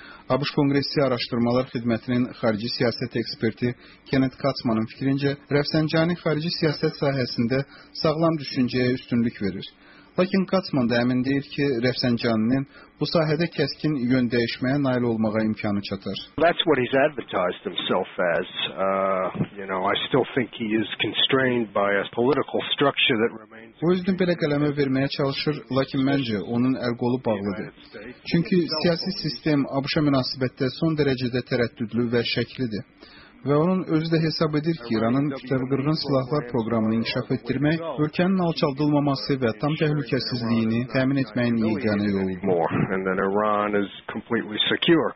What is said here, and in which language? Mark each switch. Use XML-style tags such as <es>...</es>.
<az>ABŞ Kongresi Araşdırmalar Xidmətinin xarici siyasət eksperti Kenneth Katzmanın fikrincə, Rəfsəncani xarici siyasət sahəsində sağlam düşüncəyə üstünlük verir. Lakin Katzman da əmin deyir ki, Rəfsəncaninin bu sahədə kəskin yön dəyişməyə nail olmağa imkanı çatır.</az> <en>That's what he's advertised himself as. I still think he is constrained by a political structure that remains.</en> <az>Bu özünü belə qələmə verməyə çalışır, lakin məncə onun əl-qolu bağlıdır. Çünki siyasi sistem ABŞ-a münasibətdə son dərəcədə tərəddüdlü və şəklidir. Və onun özü də hesab edir ki, İranın kütləvi qırğın silahlar proqramını inkişaf etdirmək, ölkənin alçaldılmaması və tam təhlükəsizliyini təmin etməyin yeganə yoludur.</az>